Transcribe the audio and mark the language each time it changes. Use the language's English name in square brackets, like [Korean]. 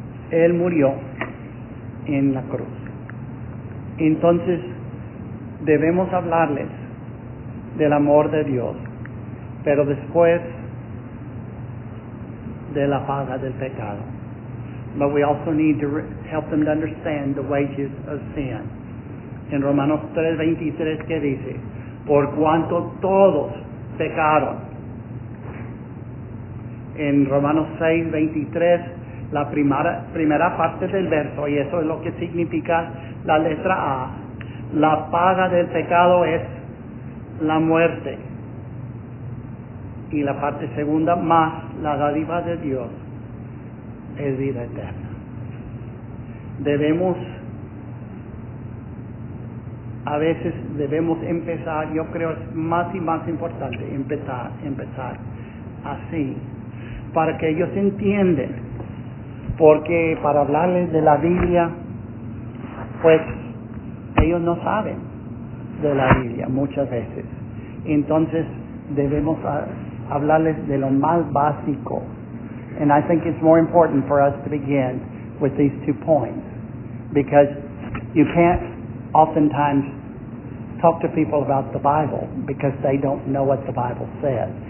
[Spanish] Él murió en la cruz. Entonces, debemos hablarles del amor de Dios, pero después de la paga del pecado. [English] But we also need to help them to understand the wages of sin. [Spanish] En Romanos 3:23, ¿qué dice? Por cuanto todos pecaron. En Romanos 6:23, la primera parte del verso, y eso es lo que significa la letra A. La paga del pecado es la muerte. Y la parte segunda, más la dádiva de Dios, es vida eterna. Debemos, a veces debemos empezar, yo creo es más y más importante empezar así, para que ellos entiendan. Porque para hablarles de la Biblia, pues ellos no saben de la Biblia muchas veces. Entonces debemos hablarles de lo más básico. [English] And I think it's more important for us to begin with these two points. Because you can't oftentimes talk to people about the Bible because they don't know what the Bible says.